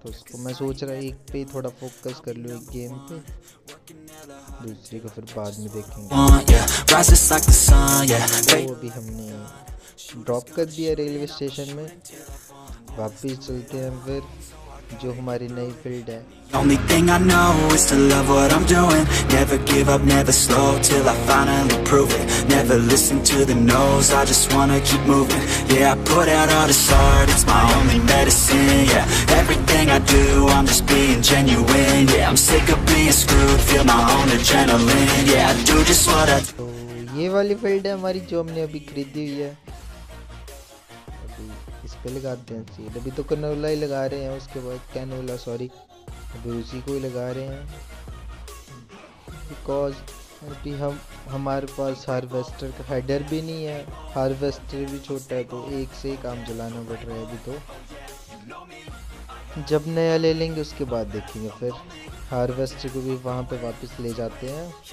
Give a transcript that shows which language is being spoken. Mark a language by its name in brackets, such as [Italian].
[Hindi] तो उसको मैं सोच रहा एक पे थोड़ा फोकस कर लूँ, एक गेम पे, दूसरी को फिर बाद में देखेंगे। तो अभी हमने ड्रॉप कर दिया रेलवे स्टेशन में, वापिस चलते हैं फिर जो हमारी नई फील्ड है। [English] Only thing I know is to love what I'm doing. Never give up, never slow till I finally prove it. Never listen to the no's, I just wanna keep moving. Yeah, I put out all this art, it's my only medicine. Yeah, everything I do, I'm just being genuine. Yeah, I'm sick of being screwed, feel my own adrenaline. Yeah, I do just what I do. [Hindi] ये वाली field है हमारी जो हमने अभी खरीदी हुई है, इस पे लगाते हैं सीड। अभी तो कैनोला ही लगा रहे हैं, उसके बाद कैनोला सॉरी अभी उसी को ही लगा रहे हैं, बिकॉज अभी हमारे पास हार्वेस्टर का हेडर भी नहीं है, हार्वेस्टर भी छोटा है, तो एक से ही काम चलाना पड़ रहा है अभी। तो जब नया ले लेंगे उसके बाद देखेंगे, फिर हार्वेस्टर को भी वहाँ पे वापस ले जाते हैं।